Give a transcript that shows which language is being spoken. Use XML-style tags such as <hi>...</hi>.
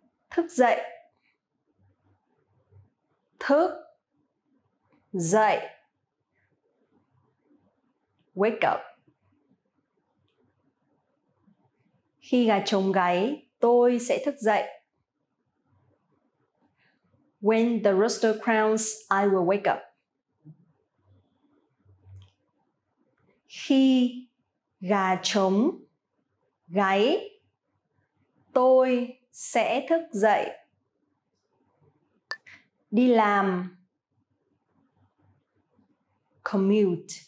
<vi>Thức dậy. Thức dậy.</vi> <en>Wake up.</en> <vi>Khi gà trống gáy, tôi sẽ thức dậy.</vi> <en>When the rooster crows, I will wake up.</en> <vi>Khi gà trống gáy, tôi sẽ thức dậy. Đi làm.</vi> <en>Commute.</en>